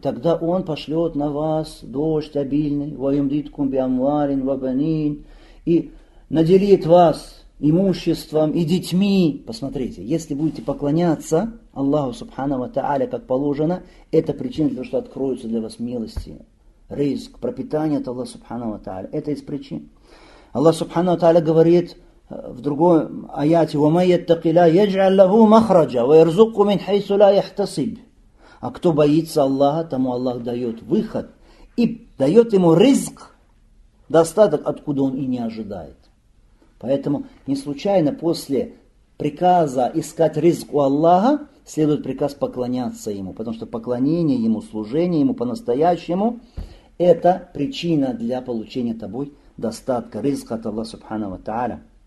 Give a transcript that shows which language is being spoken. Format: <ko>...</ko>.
<ru>И тогда Он пошлет на вас дождь обильный,</ru> <ar>ваюмдиткум биамварин, вабанин,</ar> <ru>и наделит вас имуществом и детьми. Посмотрите, если будете поклоняться Аллаху Субхану ва Тааля, как положено, это причина для того, что откроются для вас милости, риск, пропитание от Аллаха Субхану ва Тааля. Это из причин.</ru> <ar>Аллах Субхану ва Тааля говорит в другом аяте: وَمَنْ يَتَّقِ اللَّهَ يَجْعَلْ لَهُ مَخْرَجًا وَيَرْزُقْهُ مِنْ حَيْثُ لَا يَحْتَسِبُ.</ar> <ru>А кто боится Аллаха, тому Аллах дает выход и дает ему риск, достаток, откуда он и не ожидает. Поэтому не случайно после приказа искать риск у Аллаха следует приказ поклоняться Ему, потому что поклонение Ему, служение Ему по-настоящему – это причина для получения тобой достатка, риска от Аллаха Субхана ва Тааля.</ru>